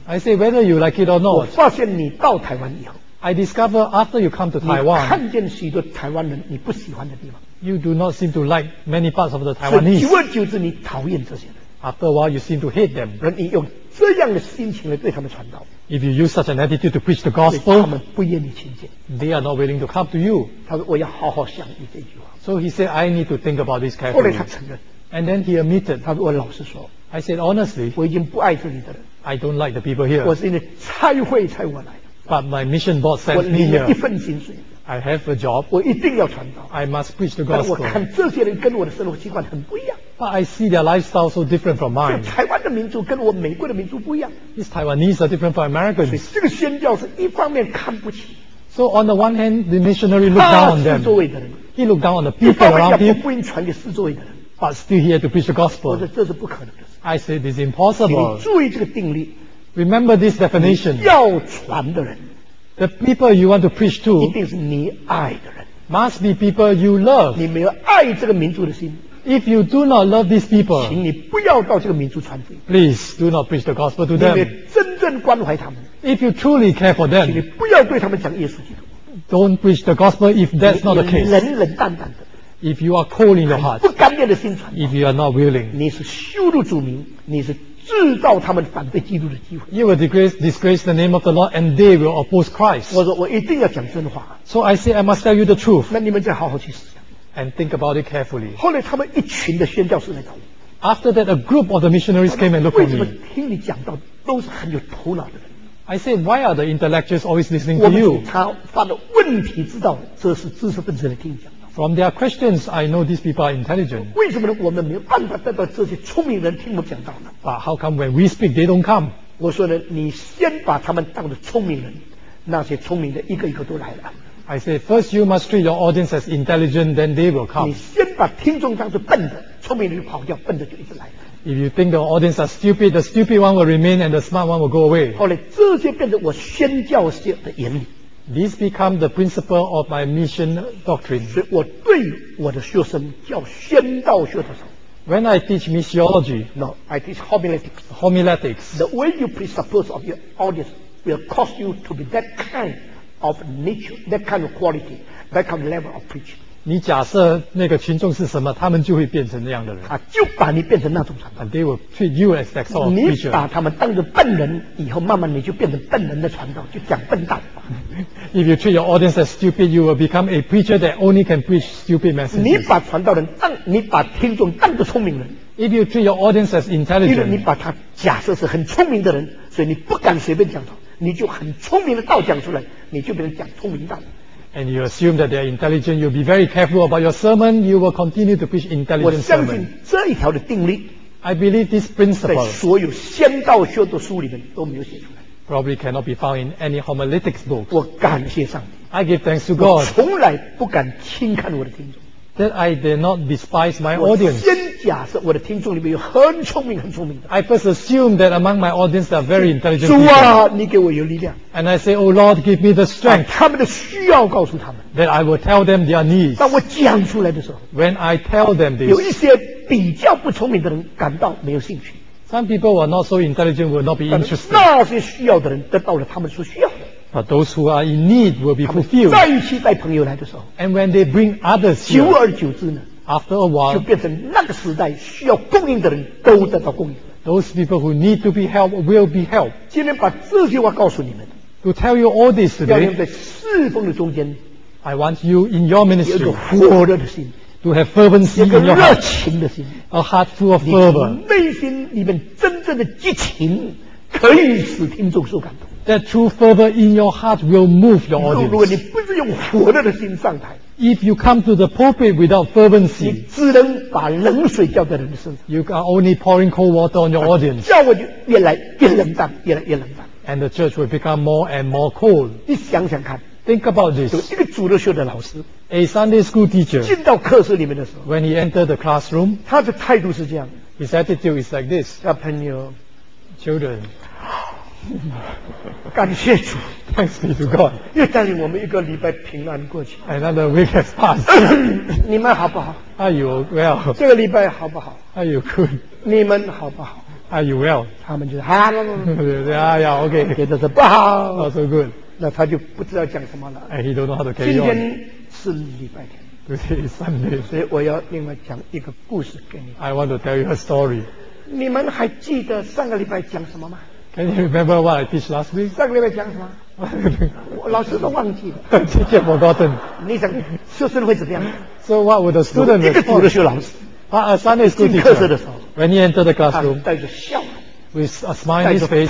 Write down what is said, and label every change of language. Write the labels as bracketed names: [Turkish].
[English] I say whether you like it or not. [Chinese] 我发现你到台湾以后， [English] I discover after you come to Taiwan. [Chinese] 你看见许多台湾人你不喜欢的地方。 [English] You do not seem to like many parts of the Taiwanese. [Chinese] 久而久之，你讨厌这些人。 [English] After a while, you seem to hate them. [Chinese] 人你用这样的心情来对他们传道。 [English] If you use such an attitude to preach the gospel, [Chinese] 他们不愿意亲近。 [English] They are not willing to come to you. [Chinese] 他说我要好好想你这句话。 [English] So he said, I need to think about this carefully. [Chinese] 后来他承认。 [English] And then he admitted. [Chinese] 他说我老实说。 [English] I said honestly, [Chinese] 我已经不爱这里的人。 [English] I don't like the people here. [Chinese] 我是因为差会才我来的。 [English] But my mission board sent me here. [Chinese] 我领一份薪水。 [English] I have a job. [Chinese] 我一定要传道。 [English] I must preach the gospel. [Chinese] 但我看这些人跟我的生活习惯很不一样。 [English] But I see their lifestyle so different from mine. [Chinese] 台湾的民族跟我美国的民族不一样。 [English] These Taiwanese are different from Americans. [Chinese] 所以这个宣教是一方面看不起。 [English] So on the one hand, the missionary looked down on them. [Chinese] 四周围的人。 [English] He looked down on the people around him. [Chinese] 一方面要福音传给四周围的人。 [English] But still here to preach the gospel. [Chinese] 我说这是不可能的。 [English] I say this is impossible. [Chinese] 请你注意这个定律。 [English] Remember this definition. [Chinese] 要传的人。 [English] The people you want to preach to [Chinese] 一定是你爱的人。 [English] Must be people you love. [Chinese] 你没有爱这个民族的心。 [English] If you do not love these people, [Chinese] 请你不要到这个民族传福音。 [English] Please do not preach the gospel to them. [Chinese] 你没有真正关怀他们。 [English] If you truly care for them, [Chinese] 请你不要对他们讲耶稣基督。 [English] Don't preach the gospel if that's not the case. [Chinese] 你冷冷淡淡的。 [English] If you are cold in your heart, [Chinese] 不甘愿的心传。 [English] If you are not willing, [Chinese] 你是羞辱主名，你是制造他们反对基督的机会。 [English] You will disgrace the name of the Lord, and they will oppose Christ. [Chinese] 我说我一定要讲真话。 [English] So I say I must tell you the truth. [Chinese] 那你们再好好去思想。 [English] And think about it carefully. [Chinese] 后来他们一群的宣教士来找我。 [English] After that, a group of the missionaries came and looked for me. [Chinese] 为什么听你讲到都是很有头脑的人？ [English] I say, why are the intellectuals always listening to you? [Chinese] 我们从他的问题知道，这是知识分子来听你讲。 [English] From their questions, I know these people are intelligent. [Chinese] 为什么我们没有办法得到这些聪明人听我讲道呢？ [English] But how come when we speak, they don't come? [Chinese] 我说呢，你先把他们当作聪明人，那些聪明的一个一个都来了。 [English] I say, first you must treat your audience as intelligent, then they will come. [Chinese] 你先把听众当作笨的，聪明人跑掉，笨的就一直来。 [English] If you think the audience are stupid, the stupid one will remain and the smart one will go away. [Chinese] 后来这些变成我宣教士的眼里。 [English] This become the principle of my mission doctrine. [Chinese] 所以我对我的学生叫宣道学的时候， [English] When I teach missiology, no, I teach homiletics. Homiletics. The way you presuppose of your audience will cause you to be that kind of nature, that kind of quality, that kind of level of preaching. [Chinese] 你假设那个群众是什么，他们就会变成那样的人。他就把你变成那种传道。 [English] And they will treat you as that sort of preacher. [Chinese] 你把他们当成笨人，以后慢慢你就变成笨人的传道，就讲笨道。 [English] If you treat your audience as stupid, you will become a preacher that only can preach stupid messages. [Chinese] 你把传道人当，你把听众当作聪明人。 [English] If you treat your audience as intelligent, [Chinese] 因为你把他假设是很聪明的人，所以你不敢随便讲道，你就很聪明的道讲出来，你就变成讲聪明道。 [English] And you assume that they are intelligent, you'll be very careful about your sermon, you will continue to preach intelligent sermon. [Chinese] 我相信这一条的定律。 [English] I believe this principle. [Chinese] 在所有先道学的书里面都没有写出来。 [English] Probably cannot be found in any homiletics book. [Chinese] 我感谢上帝。 [English] I give thanks to God. [Chinese] 我从来不敢轻看我的听众。 [English] that I did not despise my audience. [Chinese] 先假设我的听众里面有很聪明、很聪明的。 [English] I first assume that among my audience there are very intelligent people. [Chinese] 主啊，你给我有力量。 [English] And I say, Oh Lord, give me the strength. [Chinese] 他们的需要告诉他们。 [English] That I will tell them their needs. [Chinese] 当我讲出来的时候。 [English] When I tell them this. [Chinese] 有一些比较不聪明的人感到没有兴趣。 [English] Some people who are not so intelligent will not be interested. [Chinese] 那些需要的人得到了他们所需要的。 [English] But those who are in need will be fulfilled. [Chinese] 再一次带朋友来的时候。 [English] And when they bring others here, [Chinese] 久而久之呢, [English] after a while, [Chinese] 就变成那个时代需要供应的人都得到供应。 [English] Those people who need to be helped will be helped. [Chinese] 今天把这句话告诉你们。 [English] To tell you all this today, [Chinese] 要用在侍奉的中间。 [English] I want you in your ministry, [Chinese] 有一个火热的心。 [English] To have fervency in your heart. [Chinese] 热情的心。 [English] A heart full of fervor. [Chinese] 你内心里面真正的激情可以使听众受感动。 [English] That true fervor in your heart will move your audience. [Chinese] 如果你不是用火热的心上台， [English] If you come to the pulpit without fervency, [Chinese] 你只能把冷水浇在人身上。 [English] You are only pouring cold water on your audience. [Chinese] 教会就越来越冷淡，越来越冷淡。 [English] And the church will become more and more cold. [Chinese] 你想想看。 [English] Think about this. [Chinese] 一个主日学的老师， [English] A Sunday school teacher, [Chinese] 进到课室里面的时候， [English] When he entered the classroom, [Chinese] 他的态度是这样。 [English] His attitude is like this. [Chinese] 小朋友， [English] Children, [Chinese] 感谢主 [English] ，Thanks be to God， [Chinese] 又带领我们一个礼拜平安过去。 [English] Another week has passed [Chinese] 。 你们好不好 [English] ？Are you well？ [Chinese] 这个礼拜好不好 [English] ？Are you good？ [Chinese] 你们好不好 [English] ？Are you well？ [Chinese] 他们就是哈。哎呀 ，OK，觉得是不好。 [English] Not so good。 [Chinese] 那他就不知道讲什么了。 [English] And he don't know how to carry on。 [Chinese] 今天是礼拜天。 [English] Today is Sunday。 [Chinese] 所以我要另外讲一个故事给你。 [English] I want to tell you a story。 [Chinese] 你们还记得上个礼拜讲什么吗？ [English] Can you remember what I teach last week? [Chinese] 上个礼拜讲什么？老师都忘记了。直接 [English] forgotten。 [Chinese] 你想学生会怎么样 [English] ？So what would the student respond? [Chinese] 一个主的学老师。他啊，三年级进课室的时候 [English] ，When he entered the classroom， [Chinese] 带着笑 [English] ，with a smile on his face，